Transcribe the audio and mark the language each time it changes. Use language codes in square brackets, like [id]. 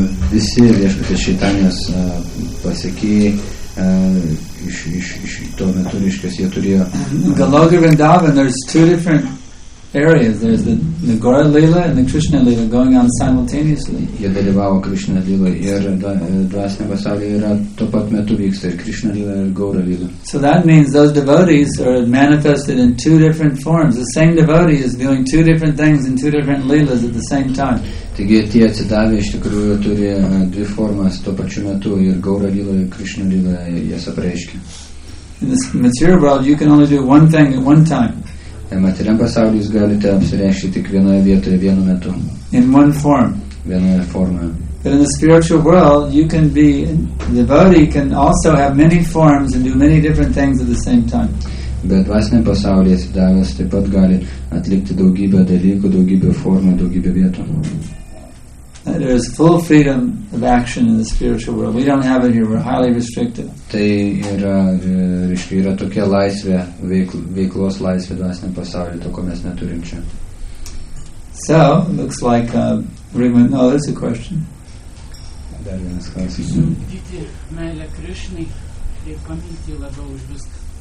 [lt] Visi Viešpaties Chaitanyas pasekėjai, iš to metu, reiškia, jie turėjo [en] Galoga Vrindavan, there's two different areas. There's the Gaura Lila and the Krishna Lila going on simultaneously. [lt] Jie dalyvavo Krishna Lila ir dvasinė pasaulyje yra tuo pat metu vyksta ir Krishna Lila ir Gaura Lila. [en] So that means those devotees are manifested in two different forms. The same devotee is doing two different things in two different Lilas at the same time. [lt] Taigi tie atsidavę iš tikrųjų turi dvi formas tuo pačiu metu ir Gaura Lila ir Krishna Lila jas apreiškia. [en] In this material world you can only do one thing at one time. [lt] Materialiam pasaulyje jūs galite apsireikšti tik vienoje vietoje vienu metu. [en] In one form. [lt] Vienoje formoje. [en] But in the spiritual world, you can be, the body can also have many forms and do many different things at the same time. [lt] Bet dvasiniam pasaulyje atsidavęs taip pat gali atlikti daugybę dalykų, daugybę formų, daugybę vietų. [en] There is full freedom of action in the spiritual world. We don't have it here. We're highly restricted. [lt] Tai yra, reiškia, yra tokia laisvė, veiklos laisvė dvasiniam pasaulyje, to ko mes neturim čia. [en] So, looks like everyone knows there's a question. [lt] Dar vienas klausimas. Ugdyti meilę Krishnai ir pamilti labiau už viską.